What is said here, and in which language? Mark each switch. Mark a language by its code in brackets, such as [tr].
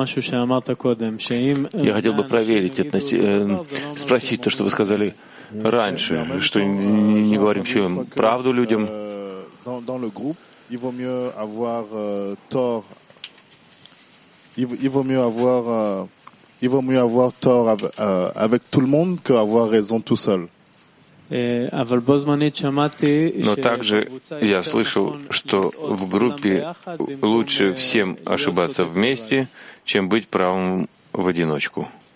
[ru] Я хотел бы спросить то, что вы сказали раньше, что не говорим всем правду людям. [fr] Dans le groupe, il vaut mieux avoir tort. Il vaut mieux avoir il vaut mieux avoir tort avec tout le monde qu'avoir raison tout seul. [ru] Но также я слышал, что в группе лучше всем ошибаться вместе, чем быть правым в одиночку.